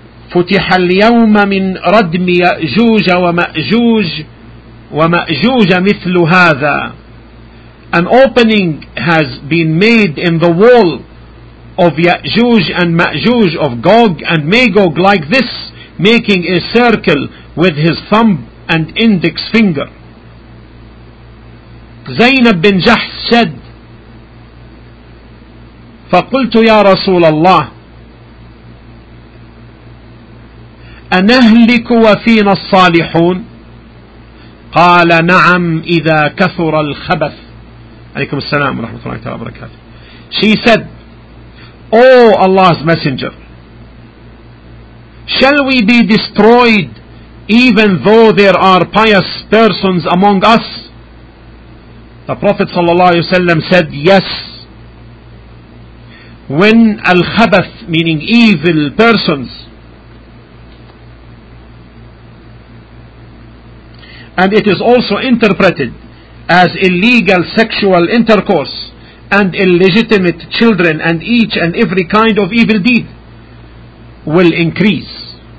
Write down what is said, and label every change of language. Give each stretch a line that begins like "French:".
Arabic: فُتِحَ الْيَوْمَ مِنْ رَدْمِ يَأْجُوجَ وَمَأْجُوجَ وَمَأْجُوجَ مِثْلُ هَذَا.
English: An opening has been made in the wall of Ya'juj and Ma'juj, of Gog and Magog, like this, making a circle with his thumb and index finger. Zainab bin Jahs said,
Arabic: فَقُلْتُ يَا رَسُولَ اللَّهِ أَنَهْلِكُ وَفِينَ الصَّالِحُونَ قَالَ نَعَمْ إِذَا كَثُرَ الْخَبَثُ. عَلَيْكُمْ السَّلَامُ وَرَحْمَةُ اللَّهِ تَعَالَى وَبَرَكَاتُهُ.
English: She said, O Allah's Messenger, shall we be destroyed even though there are pious persons among us? The Prophet ﷺ said, yes, when al-khabath, meaning evil persons, and it is also interpreted as illegal sexual intercourse and illegitimate children and each and every kind of evil deed, will increase.